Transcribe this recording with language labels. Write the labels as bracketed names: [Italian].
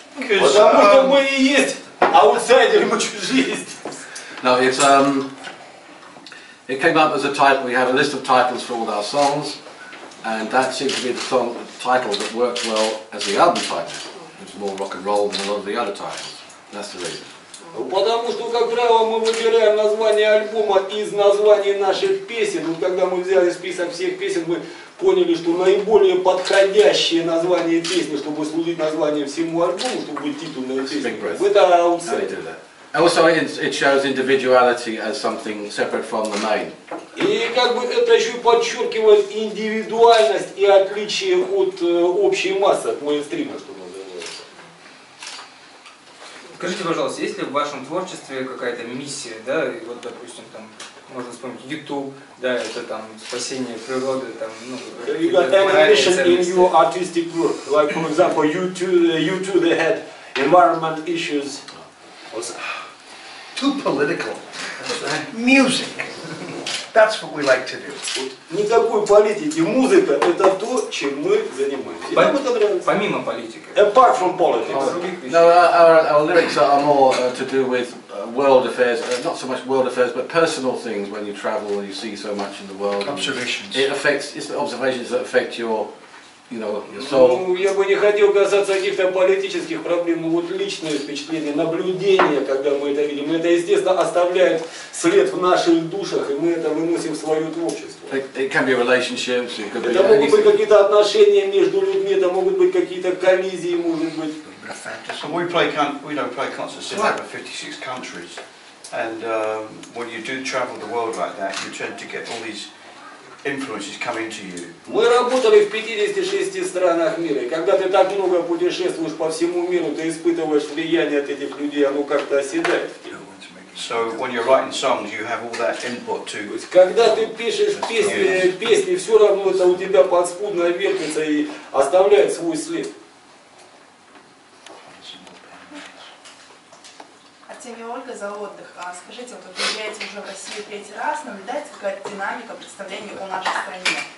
[English] No, it's it came up as a title. We have a list of titles for all our songs, and that seemed to be the song title that worked well as the album title. It's more rock and roll than a lot of the other titles. That's the reason. [Russian] Потому что, как правило, мы выбираем название альбома из названия наших песен. Вот когда мы взяли список всех песен, мы поняли, что наиболее подходящее название песни, чтобы служить названием всему альбому, чтобы быть титульной песней, это Outsider. [English] Also, it shows individuality as something separate from the main. [Russian] И как бы это еще подчеркивает индивидуальность и отличие от общей массы, от мейнстрима. Скажите, пожалуйста, есть ли в вашем творчестве какая-то миссия, да, и вот, допустим, там, можно вспомнить YouTube, да, это там спасение природы, там, ну, [English] you got any mission in your artistic work, like, for example, YouTube, they had environment issues. Too political. Music. That's what we like to do. [Russian] Никакой политики, музыка – это то, чем мы занимаемся. Помимо политики. [English] Apart from politics. No, our lyrics are more to do with world affairs. Not so much world affairs, but personal things. When you travel, you see so much in the world. Observations. It affects. It's the observations that affect your, you know, your soul. [Russian] Ну, я бы не хотел касаться каких-то политических проблем, но вот личные впечатления, наблюдения, когда мы это видим, это, естественно, оставляет след в наших душах, и мы это выносим в свое творчество. [English] It can be relationships, it could be [Russian] это могут [English] anything. [Russian] Быть какие-то отношения между людьми, это могут быть какие-то коллизии, может быть. [English] So we don't play concerts in over 56 countries, and when you do travel the world like that, you tend to get all these influences coming to you. [Russian] Мы работали в 56 странах мира. Когда ты так много путешествуешь по всему миру, ты испытываешь влияние от этих людей, оно как-то оседает. [English] So when you're writing songs, you have all that input too. [Russian] Когда ты пишешь песни, все равно это у тебя подспудно вертится и оставляет свой след. Тебя Ольга за отдых. А скажите, вот вы приезжаете уже в Россию третий раз, наблюдаете какая-то динамика представления по нашей стране?